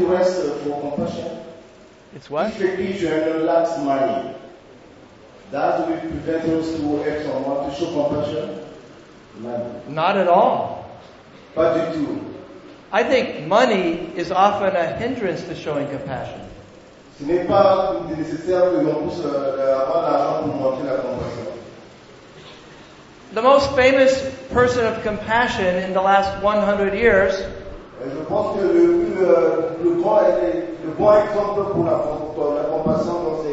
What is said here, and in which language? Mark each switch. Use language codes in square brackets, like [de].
[en] If you have no lack of money, that will prevent us to help someone to show compassion? No. Not at all. But you do. I think money is often a hindrance to showing compassion. [fr] Ce n'est pas nécessaire que l'on puisse avoir l'argent pour montrer la compassion. [en] The most famous person of compassion in the last 100 years. [fr] Je pense que le grand est le bon exemple pour la compassion.